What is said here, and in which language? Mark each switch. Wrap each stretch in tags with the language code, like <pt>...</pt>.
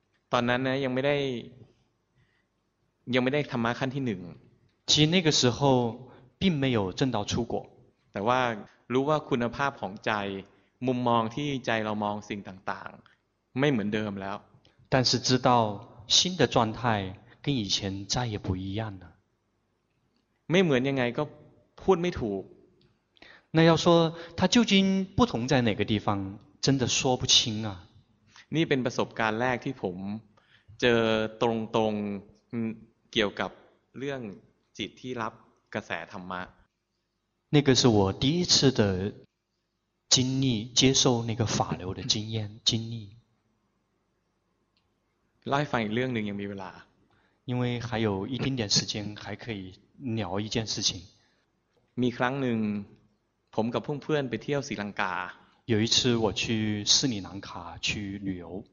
<th>ตอนนั้นนะยังไม่ได้ธรรมะขั้นที่หนึ่ง</th> <zh>其实那个时候并没有证到出果</zh> <th>แต่ว่ารู้ว่าคุณภาพของใจมุมมองที่ใจเรามองสิ่งต่างๆไม่เหมือนเดิมแล้ว</th> <zh>但是知道新的状态跟以前再也不一样了</zh> <th>ไม่เหมือนยังไงก็พูดไม่ถูก</th> <zh>那要说它究竟不同在哪个地方真的说不清啊</zh> <th>นี่เป็นประสบการณ์แรกที่ผมเจอตรงๆเกี่ยวกับเรื่องจิตที่รับกระแสธรรมะ</th> <zh>那个是我第一次的经历接受那个法流的经验经历</zh> <th>เล่าให้ฟังอีกเรื่องหนึ่งยังมีเวลา</th> <zh>因为还有一丁点时间还可以聊一件事情</zh> <th>มีครั้งหนึ่งผมกับเพื่อนๆไปเที่ยวศรีลังกา</th> <zh>有一次我去斯里兰卡去旅游</zh>